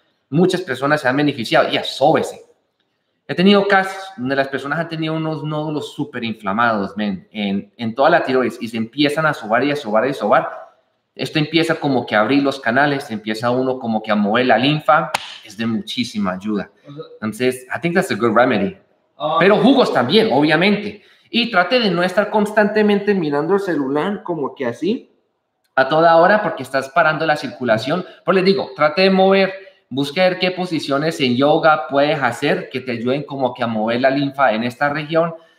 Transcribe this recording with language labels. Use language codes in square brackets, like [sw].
[es] Muchas personas se han beneficiado y sóbese. He tenido casos donde las personas han tenido unos nódulos súper inflamados, men, en toda la tiroides, y se empiezan a sobar y a sobar y a sobar. esto empieza como que a abrir los canales, empieza uno como que a mover la linfa, es de muchísima ayuda. [en] Entonces, I think that's a good remedy. [es] Pero jugos también, obviamente. Y trate de no estar constantemente mirando el celular como que así, a toda hora, porque estás parando la circulación. Pero les digo, trate de mover, busque ver qué posiciones en yoga puedes hacer que te ayuden como que a mover la linfa en esta región.